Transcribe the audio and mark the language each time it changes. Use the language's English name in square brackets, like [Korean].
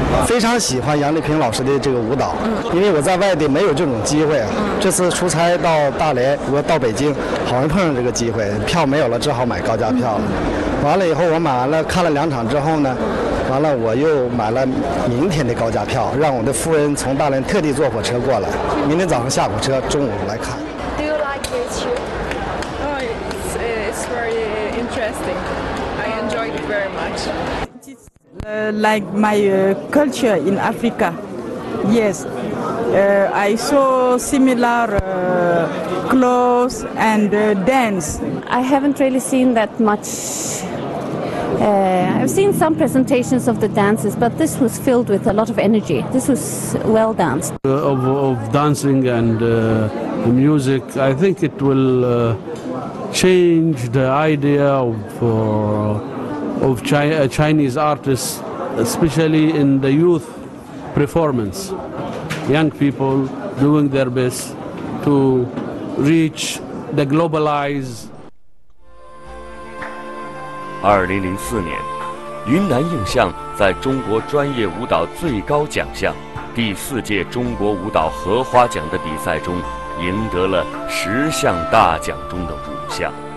[Chinese] 非常喜欢杨丽萍老师的这个舞蹈，因为我在外地没有这种机会，这次出差到大连，我到北京，好像碰上这个机会，票没有了，只好买高价票了。完了以后，我买完了，看了2场之后呢，完了我又买了明天的高价票，让我的夫人从大连特地坐火车过来，明天早上下火车，中午来看。 [English] Do you like it too? Oh, it's very interesting. I enjoyed it very much. like my culture in Africa. Yes, I saw similar clothes and dance. I haven't really seen that much. I've seen some presentations of the dances, but this was filled with a lot of energy. This was well danced. Of dancing and the music, I think it will change the idea of Chinese artists, especially in the youth performance. Young people doing their best to reach the globalized. [Chinese] 2004年，云南映像在中国专业舞蹈最高奖项第四届中国舞蹈荷花奖的比赛中，赢得了十项大奖中的五项。